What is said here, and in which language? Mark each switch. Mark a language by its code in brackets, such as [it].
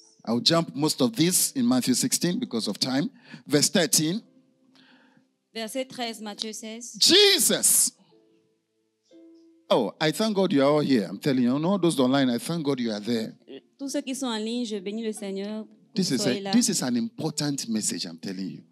[en] I'll jump most of this in Matthew 16 because of time. Verse 13. [fr] Verset 13, Matthew 16. [en] Jesus! Oh, I thank God you are all here. I'm telling you, all those online, I thank God you are there. [fr] Tous ceux qui sont en ligne, je bénis le Seigneur. [en] This is an important message, I'm telling you.